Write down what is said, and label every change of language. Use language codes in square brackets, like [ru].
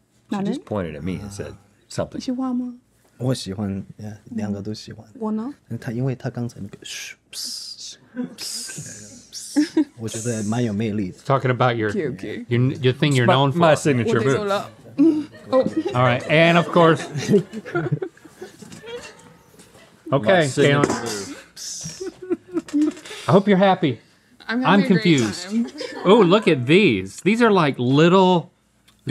[en] She just pointed at me and said something. [zh] 你喜欢吗? 我喜欢, 两个都喜欢. 我呢? 因为他刚才那个, 我觉得蛮有魅力的. [en] Talking about your your thing you're known for. My signature move. Oh. All right, and of course. Okay, Kaylin. I hope you're happy. I'm confused. Oh, look at these. These are like little tacos?